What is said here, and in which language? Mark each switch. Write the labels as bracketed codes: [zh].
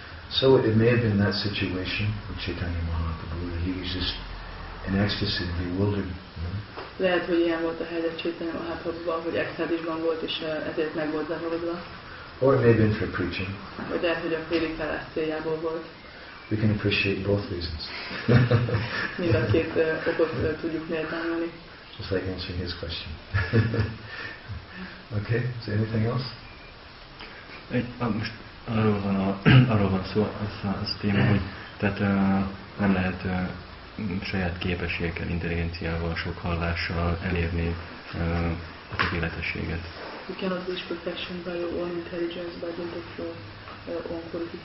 [en] So it may have been that situation with Chaitanya Mahaprabhu, that he was just in ecstasy and bewildered. [hu] Lehet, hogy ilyen volt a helyzet Chaitanya Mahaprabhuval, hogy extázisban volt, és ezért meg volt zavarodva. [en] Or it may have been for preaching. [hu] Vagy lehet, hogy a prédikálás céljából volt. [en] We can appreciate both reasons. [hu] Mind a két okot tudjuk méltányolni. [en] Just like answering his question. Okay, is there anything else? [hu] Most arról van szó, az téma, hogy tehát nem lehet saját képességekkel, intelligenciával, sok hallással elérni a tökéletességet. [en] You cannot wish perfection by your own intelligence, by the flow.